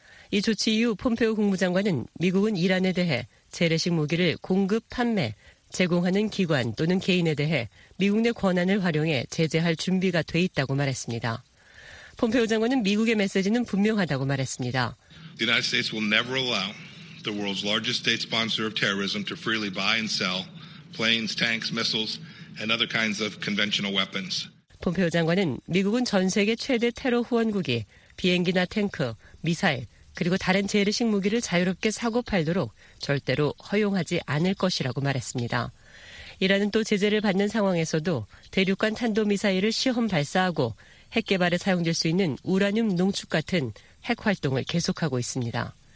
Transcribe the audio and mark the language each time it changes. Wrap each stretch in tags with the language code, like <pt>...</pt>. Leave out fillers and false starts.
<ko>이 조치 이후 폼페오 국무장관은 미국은 이란에 대해 재래식 무기를 공급, 판매, 제공하는 기관 또는 개인에 대해 미국 내 권한을 활용해 제재할 준비가 돼 있다고 말했습니다. 폼페오 장관은 미국의 메시지는 분명하다고 말했습니다.</ko> <en>The United States will never allow the world's largest state sponsor of terrorism to freely buy and sell planes, tanks, missiles, and other kinds of conventional weapons.</en> <ko>폼페오 장관은 미국은 전 세계 최대 테러 후원국이 비행기나 탱크, 미사일, 그리고 다른 재래식 무기를 자유롭게 사고 팔도록 절대로 허용하지 않을 것이라고 말했습니다. 이란은 또 제재를 받는 상황에서도 대륙간 탄도미사일을 시험 발사하고 핵 개발에 사용될 수 있는 우라늄 농축 같은 핵 활동을 계속하고 있습니다.</ko>